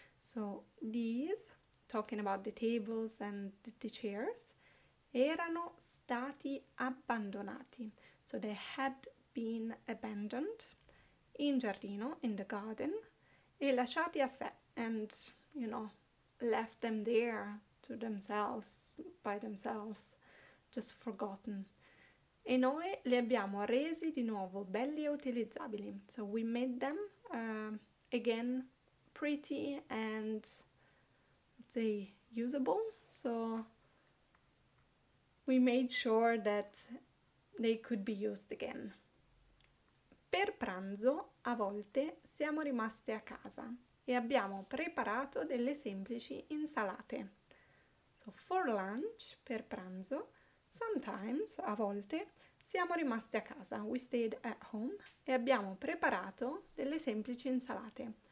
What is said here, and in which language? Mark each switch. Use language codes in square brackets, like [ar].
[en] So these, talking about the tables and the chairs, [it] erano stati abbandonati. [en] So they had been abandoned [it] in giardino, [en] in the garden, [it] e lasciati a sé, [en] and, you know, left them there to themselves, by themselves, just forgotten. [it] E noi li abbiamo resi di nuovo belli e utilizzabili. [en] So we made them again pretty and, let's say, usable. So we made sure that they could be used again. [it] Per pranzo, a volte, siamo rimaste a casa e abbiamo preparato delle semplici insalate. [en] So for lunch, [it] per pranzo, [en] sometimes, [it] a volte, siamo rimaste a casa, [en] we stayed at home, [it] e abbiamo preparato delle semplici insalate.